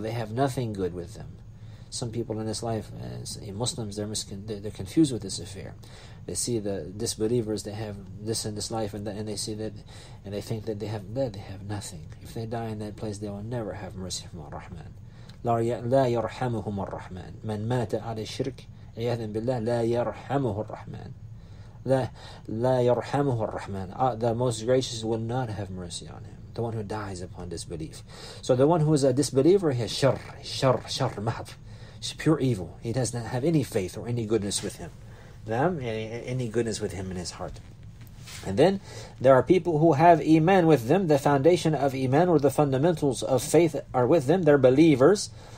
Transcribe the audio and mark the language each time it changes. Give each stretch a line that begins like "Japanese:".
English: They have nothing good with them. Some people in this life, as Muslims, they're confused with this affair. They see the disbelievers, they have this in this life, and they see that, and they think that they have nothing. If they die in that place, they will never have mercy from Ar-Rahman.
Arabic: لا يرحمهم الرحمن من مات على الشرك عياذا بالله لا يرحمه الرحمن لا يرحمه الرحمن.
English: The most gracious will not have mercy on him. The one who dies upon disbelief. So the one who is a disbeliever, he has shar mahf. Pure evil. He does not have any faith or any goodness with him. Any goodness with him in his heart. And then there are people who have iman with them. The foundation of iman, or the fundamentals of faith, are with them. They're believers.